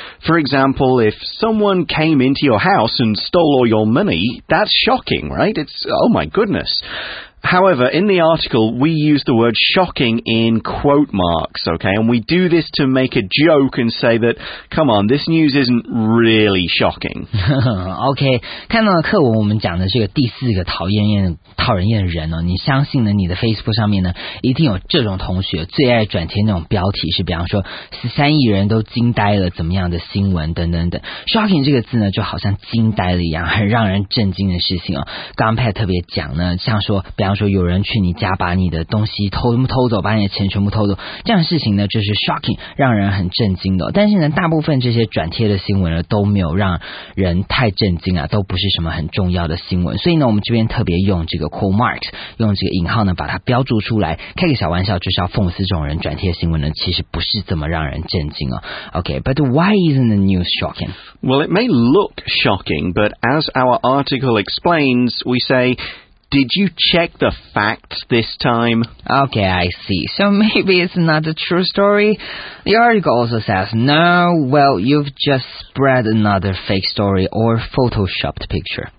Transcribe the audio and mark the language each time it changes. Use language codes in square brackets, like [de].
[en] For example, if someone came into your house and stole all your money, that's shocking, right? It's, oh my goodness. However, in the article, we use the word shocking in quote marks, okay? And we do this to make a joke and say that, come on, this news isn't really shocking. [zh] Okay, 看到课文我们讲的这个第四个讨人厌的人哦，你相信呢，你的 Facebook 上面呢，一定有这种同学最爱转贴那种标题，是比方说13亿人都惊呆了怎么样的新闻等等等。 Shocking 这个字呢，就好像惊呆了一样，很让人震惊的事情哦。刚才特别讲呢，像说比方说有人去你家把你的东西偷走，把你的钱全部偷走，这样的事情呢就是 shocking， 让人很震惊的。但是呢，大部分这些转贴的新闻呢都没有让人太震惊啊，都不是什么很重要的新闻。所以呢，我们这边特别用这个 quote marks， 用这个引号呢把它标注出来，开个小玩笑，就是要讽刺这种人转贴新闻呢其实不是这么让人震惊啊。 [en] Okay, but why isn't the news shocking? Well, it may look shocking, but as our article explains, we say,Did you check the facts this time? Okay, I see. So maybe it's not a true story. The article also says, no, well, you've just spread another fake story or photoshopped picture.